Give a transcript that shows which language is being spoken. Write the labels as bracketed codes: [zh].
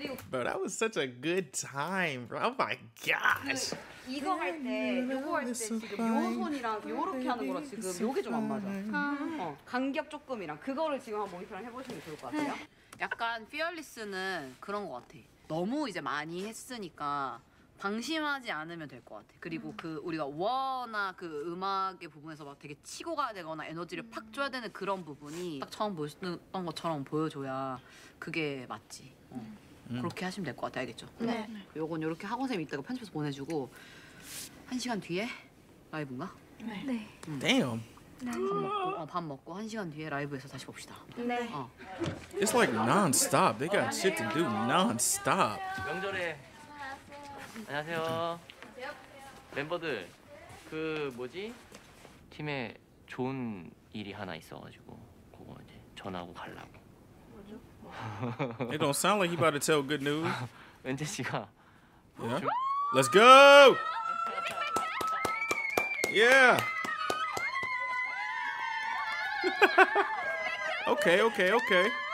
[en] Bro, that was such a good time, bro. Oh my gosh. [ko] 이거 할 때, 요거 할 때 지금 요 손이랑 요렇게 하는 거랑 지금 요게 좀 안 맞아. 간격 조금이랑 그거를 지금 한번 모니터링 해보시면 좋을 것 같아요. 약간 Fearless는 그런 것 같아. 너무 이제 많이 했으니까 방심하지 않으면 될 것 같아. 그리고 그 우리가 워나 그 음악의 부분에서 막 되게 치고 가야 되거나 에너지를 팍 줘야 되는 그런 부분이 딱 처음 보셨던 것처럼 보여줘야 그게 맞지. 그렇게 하시면 될 것 같아. 알겠죠? 네. 요건 요렇게 학원생이 있다가 편집해서 보내주고 한 시간 뒤에 라이브인가? 네. 밥 먹고 한 시간 뒤에 라이브에서 다시 봅시다. 네. [en] It's like non-stop. They got shit to do non-stop. [ko] 명절에 안녕하세요. 멤버들 그 뭐지? 팀에 좋은 일이 하나 있어가지고 그거 이제 전하고 가려고. 뭐죠? [en] It don't sound like he about to tell good news. [ko] 은재 씨가. [en] Yeah. Let's go. Yeah. Okay, okay, okay.